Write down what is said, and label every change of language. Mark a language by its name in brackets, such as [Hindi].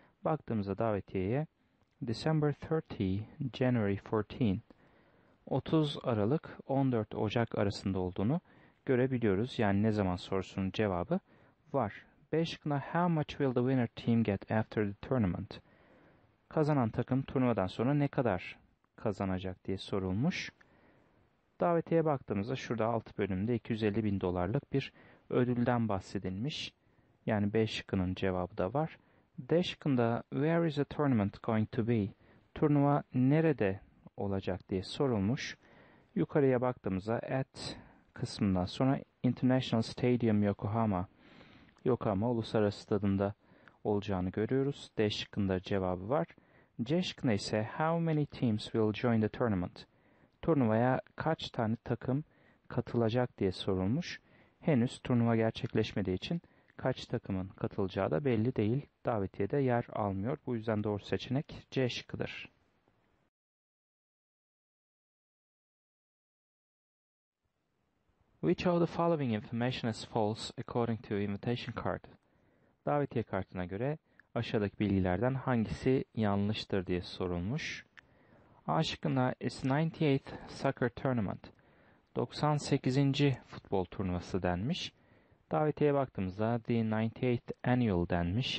[Turkish] Baktığımızda davetiyeye December 30, January 14, 30 Aralık, 14 Ocak arasında olduğunu görebiliyoruz. Yani ne zaman sorusunun cevabı var. B şıkkına [English] how much will the winner team get after the tournament? [Turkish] Kazanan takım turnuvadan sonra ne kadar kazanacak diye sorulmuş. Davetiye baktığımızda şurada alt bölümde 250 bin dolarlık bir ödülden bahsedilmiş. Yani B şıkkının cevabı da var. D şıkkında [English] where is the tournament going to be? [Turkish] Turnuva nerede olacak diye sorulmuş. Yukarıya baktığımızda at kısmından sonra International Stadium Yokohama. Yokohama uluslararası stadında olacağını görüyoruz. D şıkkında cevabı var. C şıkkında ise [English] how many teams will join the tournament? [Turkish] Turnuvaya kaç tane takım katılacak diye sorulmuş. Henüz turnuva gerçekleşmediği için kaç takımın katılacağı da belli değil. Davetiye de yer almıyor. Bu yüzden doğru seçenek C şıkkıdır. [English] Which of the following information is false according to invitation card? [Turkish] Davetiye kartına göre aşağıdaki bilgilerden hangisi yanlıştır diye sorulmuş. A şıkkında [English] is 98th soccer tournament. 98. [Turkish] futbol turnuvası denmiş. Davetiye baktığımızda the 98th annual denmiş.